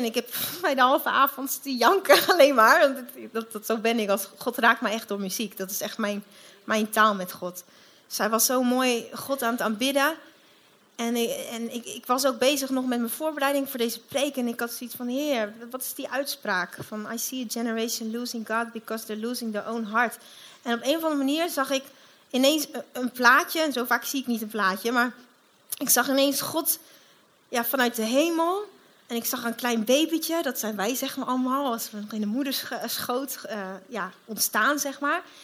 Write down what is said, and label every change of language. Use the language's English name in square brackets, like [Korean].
[Dutch] En ik heb bij de halve avond te janken alleen maar. Dat zo ben ik. God raakt me echt door muziek. Dat is echt mijn taal met God. Zij was zo mooi God aan het aanbidden. En ik was ook bezig nog met mijn voorbereiding voor deze preek. En ik had zoiets van, Heer, wat is die uitspraak? [English] Van, I see a generation losing God because they're losing their own heart. [Dutch] En op een of andere manier zag ik ineens een plaatje, en zo vaak zie ik niet een plaatje, maar ik zag ineens God vanuit de hemel. En ik zag een klein babytje, dat zijn wij zeg maar allemaal, als we nog in de moederschoot ontstaan zeg maar.